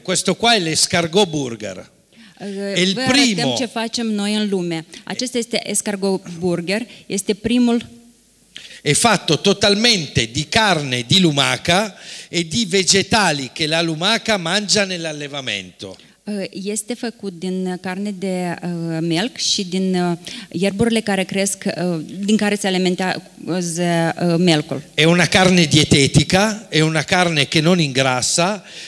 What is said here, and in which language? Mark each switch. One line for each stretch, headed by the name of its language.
Italian: Questo qua è l'escargot burger. E il primo.
Romanian: Ce facem noi în lume. Acesta este escargot burger, este primul.
Italian: È fatto totalmente di carne di lumaca e di vegetali che la lumaca mangia nell'allevamento.
Romanian: Este făcut din carne de melc și din ierburile care cresc, din care se alimentează melcul.
Italian: E una carne dietetica, e una carne che non ingrassa,